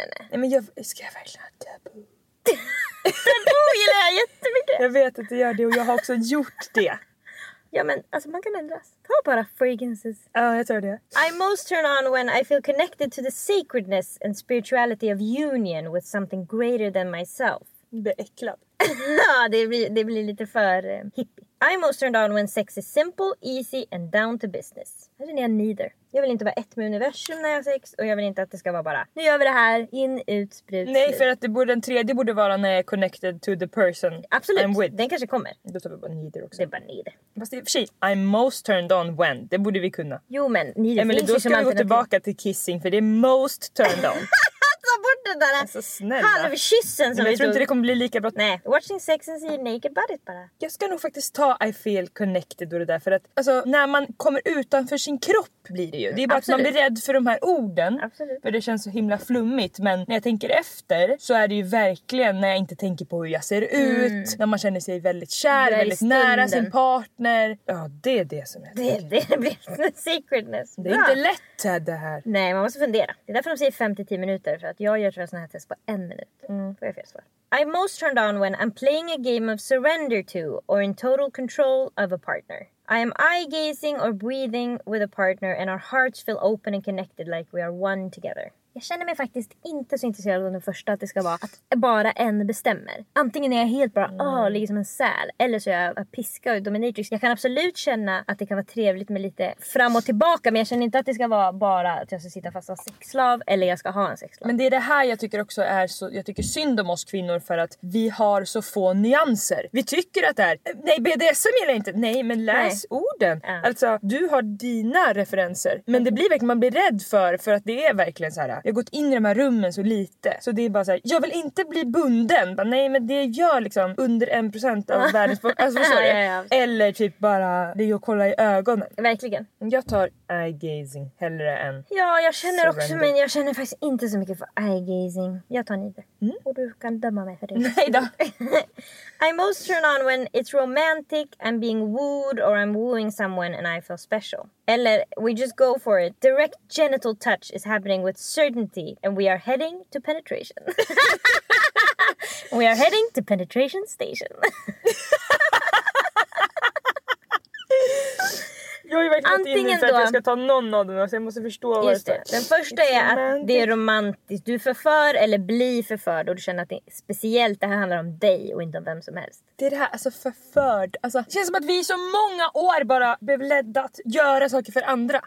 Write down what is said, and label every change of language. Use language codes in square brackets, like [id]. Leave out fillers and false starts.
[sv] men jag ska jag verkligen ha taboo. Taboo gillar jag jättemycket. Jag vet att du gör det och jag har också gjort det. Ja, men alltså man kan ändras. Ta bara fragrances. Ja, jag tror det. [en] I most turn on when I feel connected to the sacredness and spirituality of union with something greater than myself. [sv] Beäcklad. Ja, det blir lite för hippie. [en] I'm most turned on when sex is simple, easy and down to business. [sv] Här känner jag neither. Jag vill inte vara ett med universum när jag har sex. Och jag vill inte att det ska vara bara, nu gör vi det här, in, ut, sprut. Nej, för att den tredje borde vara när jag är [en] connected to the person. [sv] Absolut, [en] I'm with. [sv] Den kanske kommer. Då tar vi bara neither också. Det är bara neither. Fast det är för sig, [en] I'm most turned on when. [sv] Det borde vi kunna. Jo, men neither. Emily, då ska vi gå tillbaka till kissing, för det är [en] most turned on. [sv] Bort den där halvkyssen som jag tror inte det kommer bli lika bra. Nej, [en] watching sex and see naked bodies [sv] bara. Jag ska nog faktiskt ta [en] I feel connected [sv] och det där, för att alltså, när man kommer utanför sin kropp blir det ju. Det är bara absolut. Att man blir rädd för de här orden. Absolut. För det känns så himla flummigt. Men när jag tänker efter så är det ju verkligen när jag inte tänker på hur jag ser ut. När man känner sig väldigt kär, väldigt nära sin partner. Ja, det är det som jag tycker. Det blir en secretness. Det är inte lätt det här. Nej, man måste fundera. Det är därför de säger 5-10 minuter. För att jag gör sådana här test på en minut. Mm. Får jag fel svar. [en] I'm most turned on when I'm playing a game of surrender to or in total control of a partner. I am eye-gazing or breathing with a partner and our hearts feel open and connected like we are one together. [sv] Jag känner mig faktiskt inte så intresserad av den första, att det ska vara att bara en bestämmer. Antingen är jag helt bara, ligger som en säl, eller så är jag piska och dominatrix. Jag kan absolut känna att det kan vara trevligt med lite fram och tillbaka, men jag känner inte att det ska vara bara att jag ska sitta fast och sexslav, eller jag ska ha en sexslav. Men det är det här jag tycker också är så, jag tycker synd om oss kvinnor, för att vi har så få nyanser. Vi tycker att det är, nej, BDSM gillar inte, nej, men läs nej. Orden. Ja. Alltså, du har dina referenser, men det blir verkligen, man blir rädd för att det är verkligen så här. Jag har gått in i de här rummen så lite. Så det är bara så här, jag vill inte bli bunden. Bara, nej, men det gör liksom under 1% av världens folk. Alltså, ja, ja. Eller typ bara, det är att kolla i ögonen. Verkligen. Jag tar eye-gazing hellre än... Ja, jag känner surrender. Också, men jag känner faktiskt inte så mycket för eye-gazing. Jag tar neither. Mm. Och du kan döma mig för det. Nej då. [en] I most turn on when it's romantic, I'm being wooed or I'm wooing someone and I feel special. [sv] Eller, [en] we just go for it. Direct genital touch is happening with certainty and we are heading to penetration. We are heading to penetration station. [sv] Jag är verkligen inte inne för att jag ska ta någon av dem, så jag måste förstå vad det är. Den första är att det är romantiskt. Du förför eller blir förförd och du känner att det är speciellt, det här handlar om dig och inte om vem som helst. Det är det här, alltså förförd. Alltså, det känns som att vi så många år bara blev ledda att göra saker för andra.